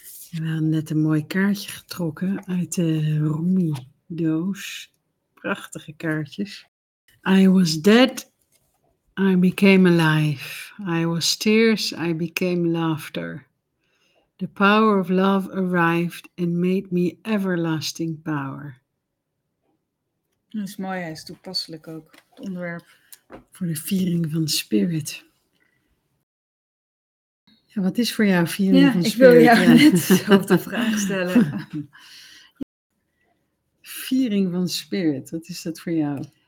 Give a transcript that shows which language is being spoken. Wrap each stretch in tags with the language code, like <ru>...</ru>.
<nl>We hadden net een mooi kaartje getrokken uit de Rumi-doos. Prachtige kaartjes.</nl> <en>I was dead, I became alive. I was tears, I became laughter. The power of love arrived and made me everlasting power.</en> <nl>Dat is mooi, hij is toepasselijk ook, het onderwerp. Voor de viering van Spirit. Ja, wat is voor jou viering van Spirit? Ik wil jou net zo de vraag stellen. Viering van Spirit, wat is dat voor jou?</nl>